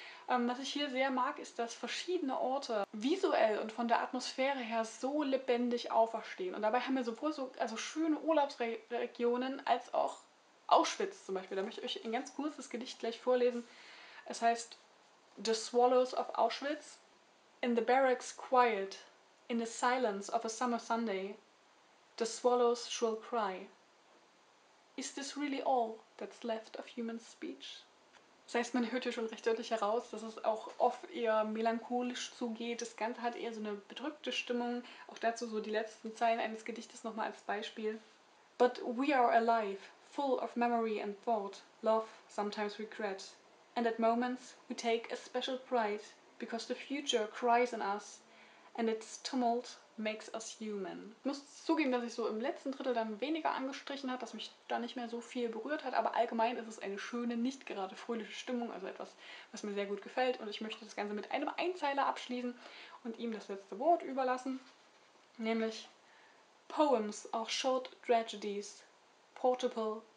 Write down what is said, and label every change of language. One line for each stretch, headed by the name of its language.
German: Was ich hier sehr mag, ist, dass verschiedene Orte visuell und von der Atmosphäre her so lebendig auferstehen. Und dabei haben wir sowohl so also schöne Urlaubsregionen als auch Auschwitz zum Beispiel. Da möchte ich euch ein ganz kurzes Gedicht gleich vorlesen. Es heißt The Swallows of Auschwitz.
English: In the barracks quiet, in the silence of a summer Sunday, the swallows shrill cry. Is this really all that's left of human speech?
German: Das heißt, man hört hier schon recht deutlich heraus, dass es auch oft eher melancholisch zugeht. Das Ganze hat eher so eine bedrückte Stimmung. Auch dazu so die letzten Zeilen eines Gedichtes nochmal als Beispiel.
English: But we are alive, full of memory and thought, love, sometimes regret. And at moments we take a special pride, because the future cries in us and its tumult makes us human.
German: Ich muss zugeben, dass ich so im letzten Drittel dann weniger angestrichen hat, dass mich da nicht mehr so viel berührt hat, aber allgemein ist es eine schöne, nicht gerade fröhliche Stimmung, also etwas, was mir sehr gut gefällt und ich möchte das Ganze mit einem Einzeiler abschließen und ihm das letzte Wort überlassen, nämlich
English: Poems are short tragedies, portable